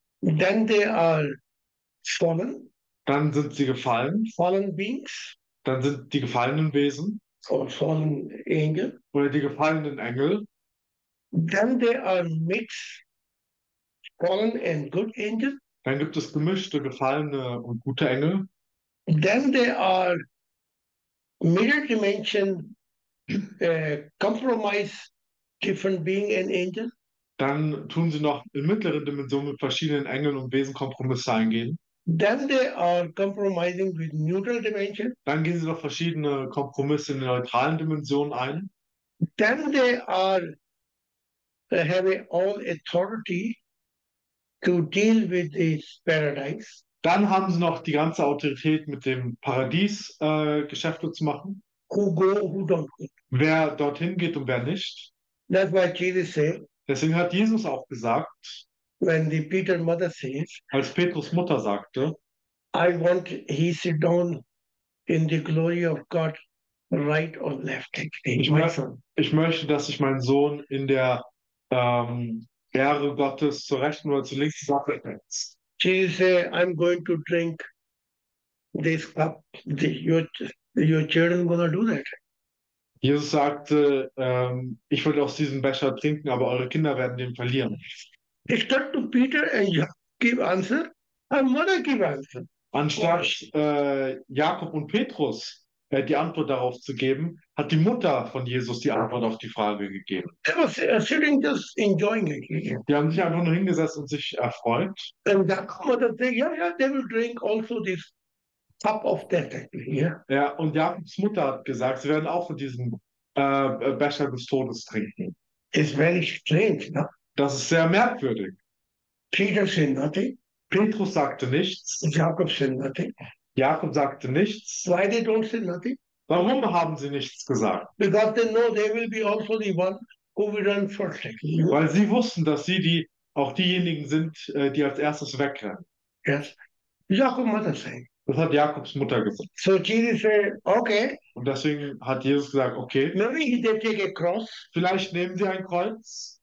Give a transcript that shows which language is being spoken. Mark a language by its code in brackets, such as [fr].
[en] Then they are fallen. [de] Dann sind sie gefallen. [en] Fallen beings. [de] Dann sind die gefallenen Wesen [en] Or fallen angel. [de] oder die gefallenen Engel. [en] Then they are mixed fallen and good angel. [de] Dann gibt es gemischte gefallene und gute Engel. [en] Then they are mirror dimension compromise different being and angel. [de] Dann tun sie noch in mittleren Dimensionen mit verschiedenen Engeln und Wesen Kompromisse eingehen. [en] Then they are compromising with neutral dimension. [de] Dann gehen sie noch verschiedene Kompromisse in neutralen Dimensionen ein. [en] Then they have all authority to deal with this paradise. [de] Dann haben sie noch die ganze Autorität, mit dem Paradies, Geschäfte zu machen. [en] Who go, who don't go. [de] Wer dorthin geht und wer nicht. [en] That's why Jesus said, [de] Deswegen hat Jesus auch gesagt, [en] when the Peter mother says, [de] als Petrus Mutter sagte, [en] I want he sit down in the glory of God, right or left, actually, my son. [de] ich möchte, dass sich mein Sohn in der Ehre Gottes zur rechten oder zur linken Seite setzt. [en] Jesus said, I'm going to drink this cup. Your children gonna do that. [de] Jesus sagte, ich will aus diesem Becher trinken, aber eure Kinder werden den verlieren. [en] It's not to Peter and you give answer, and mother give answer. [de] Anstatt [en] Question. [de] Jakob und Petrus die Antwort darauf zu geben, hat die Mutter von Jesus die Antwort auf die Frage gegeben. [en] They were sitting just enjoying it. [de] Die haben sich einfach nur hingesetzt und sich erfreut. [en] And that comes to say, yeah, yeah, they will drink also this cup of death. [de] Ja, und Jakobs Mutter hat gesagt, sie werden auch von diesem Becher des Todes trinken. [en] It's very strange, no? [de] Das ist sehr merkwürdig. [en] Peter said nothing. [de] Petrus sagte nichts. [en] Jakob said nothing. [de] Jakob sagte nichts. [en] Why they don't say nothing? [de] Warum haben sie nichts gesagt? [en] Because they know they will be also the one who will run first. [de] Weil sie wussten, dass sie die auch diejenigen sind, die als erstes wegrennen. [en] Yes. Jakob mother said. [de] Das hat Jakobs Mutter gesagt. [en] So Jesus said, okay. [de] Und deswegen hat Jesus gesagt, okay. [en] Maybe they take a cross. [de] Vielleicht nehmen sie ein Kreuz.